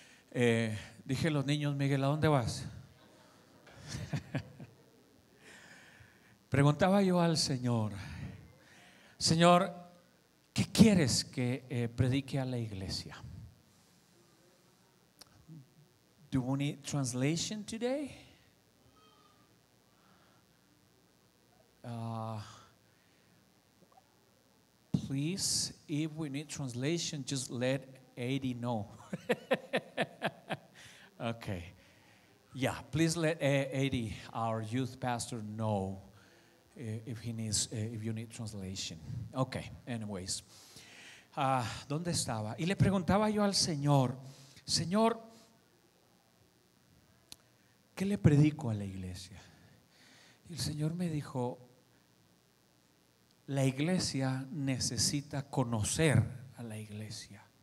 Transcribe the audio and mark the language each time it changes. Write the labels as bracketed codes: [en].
[es] Dije: los niños, Miguel, ¿a dónde vas? Preguntaba yo al Señor: Señor, ¿qué quieres que predique a la iglesia? [en] Do we need translation today? Please, if we need translation, just let Eddie know. Okay. Yeah, please let Eddie, our youth pastor, know if he needs, if you need translation. Okay, anyways. [es] ¿Dónde estaba? Y le preguntaba yo al Señor: Señor, ¿qué le predico a la iglesia? Y el Señor me dijo: la iglesia necesita conocer a la iglesia.